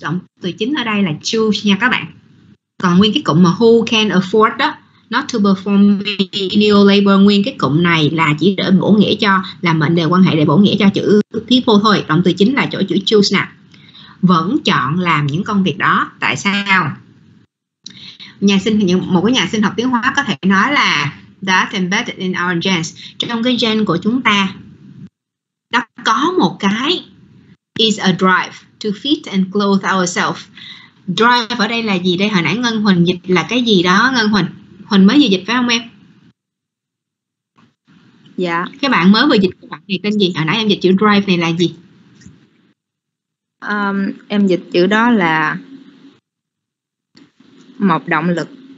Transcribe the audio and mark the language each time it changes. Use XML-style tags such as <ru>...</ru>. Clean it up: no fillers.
<vi>Động từ chính ở đây là choose nha các bạn. Còn nguyên cái cụm mà</vi> <en>who can afford</en> <vi>đó,</vi> <en>not to perform menial labor,</en> <vi>nguyên cái cụm này là chỉ để bổ nghĩa cho, là mệnh đề quan hệ để bổ nghĩa cho chữ people thôi. Động từ chính là chỗ chữ choose nè. Vẫn chọn làm những công việc đó. Tại sao? Một cái nhà sinh học tiến hóa có thể nói là</vi> <en>that's embedded in our genes.</en> <vi>Trong cái gen của chúng ta, một cái</vi> <en>is a drive to feed and clothe ourselves.</en> <vi>Drive ở đây là gì đây? Hồi nãy Ngân Huỳnh dịch là cái gì đó, Ngân Huỳnh? Huỳnh mới vừa dịch phải không em? Dạ. Cái bạn mới vừa dịch cái bạn này tên gì? Hồi nãy em dịch chữ drive này là gì? Em dịch chữ đó là một động lực.</vi>